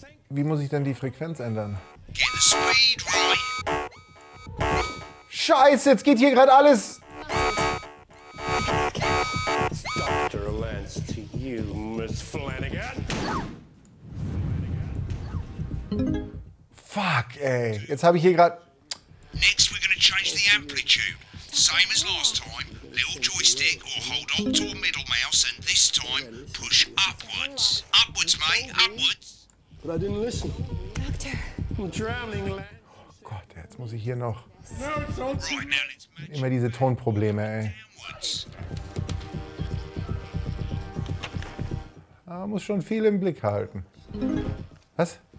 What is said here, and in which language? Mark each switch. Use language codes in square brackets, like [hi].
[de] Wie muss ich denn die Frequenz ändern? [en] Get the speed right. [de] Scheiße, jetzt geht hier gerade alles. [en] Dr. Lance to you, Miss Flanagan. Fuck, ey. [de] Jetzt habe ich hier gerade. [en] Next we're gonna change the amplitude. Same as last time. Little joystick or hold on to a middle mouse and this time push upwards. Upwards, mate, upwards. But I didn't listen. Doctor. I'm drowning, lad. [de] Oh Gott, jetzt muss ich hier noch. Immer diese Tonprobleme, ey. Man muss schon viel im Blick halten. Was?